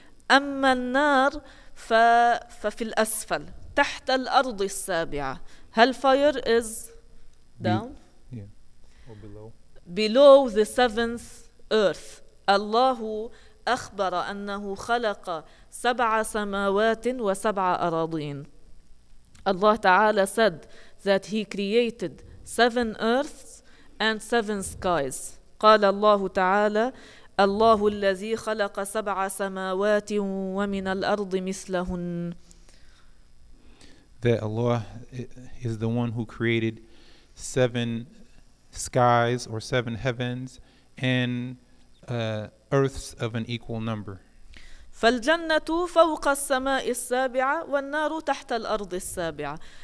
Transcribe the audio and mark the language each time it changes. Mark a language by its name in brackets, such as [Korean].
[Arabic] أما النار ففي الأسفل تحت الأرض السابعة. [English] Hellfire is down. Yeah. Or below. Below the seventh earth. [Arabic] الله أخبر أنه خلق سبع سماوات وسبع أراضين. [English] الله تعالى said that he created seven earths and seven skies. [Arabic] قال الله تعالى الله الذي خلق سبع سماوات ومن الأرض مثلهن. [English] That Allah is the one who created seven skies or seven heavens and earths of an equal number. [Arabic] فالجنة فوق السماء السابعة والنار تحت الأرض السابعة.